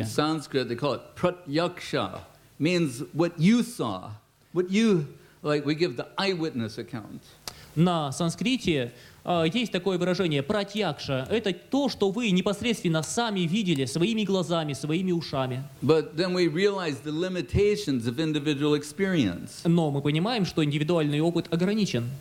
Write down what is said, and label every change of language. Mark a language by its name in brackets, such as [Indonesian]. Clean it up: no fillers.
[English] In Sanskrit they call it pratyaksha. Means what you saw, what you like. We give the eyewitness account. [Russian] На санскрите есть такое выражение "пратьякша". Это то, что вы непосредственно сами видели своими глазами, своими ушами. [English] But then we realize the limitations of individual experience. [Russian] Но мы понимаем, что индивидуальный опыт ограничен.